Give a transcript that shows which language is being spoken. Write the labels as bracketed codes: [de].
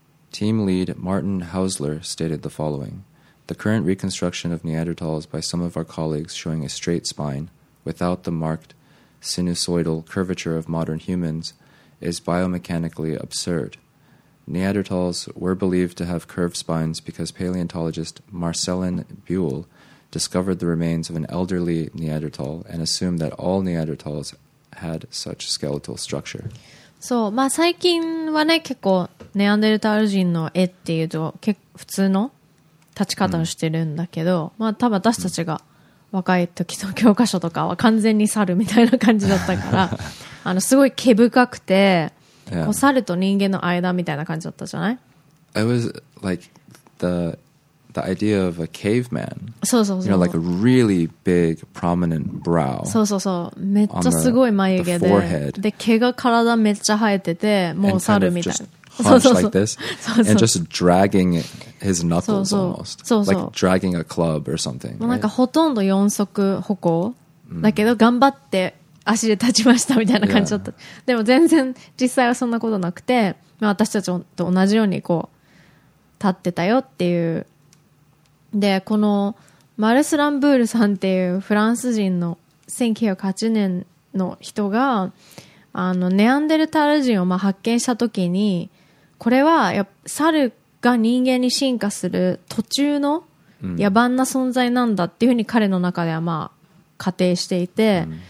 [en] Team lead Martin Hausler stated the following: "The current reconstruction of Neanderthals by some of our colleagues showing a straight spine without the marked sinusoidal curvature of modern humans is biomechanically absurd. Neanderthals were believed to have curved spines because paleontologist Marcelin Buhl discovered the remains of an elderly Neanderthal and assumed that all Neanderthals had such skeletal structure." [ja] そう、まあ最近はね、結構ネアンデルタール人の絵っていうと結構普通の立ち方をしてるんだけど、まあ多分私たちが若い時の教科書とかは完全に猿みたいな感じだったから、あのすごい毛深くて、こう猿と人間の間みたいな感じだったじゃない [en] ？It was like the idea of a caveman. [ja] そうそうそう。 [en] You know, like a really big, prominent brow. [ja] そうそうそう。めっちゃすごい眉毛で、で毛が体めっちゃ生えてて、もう猿みたいな。 [en] Hunched like this, and just dragging his knuckles almost, like dragging a club or something. [ja] もうなんかほとんど四足歩行だけど頑張って足で立ちましたみたいな感じだった。でも全然実際はそんなことなくて、まあ私たちと同じようにこう立ってたよっていう。で、このマルス・ランブールさんっていうフランス人の1908年の人が、あのネアンデルタール人をまあ発見した時に、これはやっぱ猿が人間に進化する途中の野蛮な存在なんだっていうふうに彼の中ではまあ仮定していて、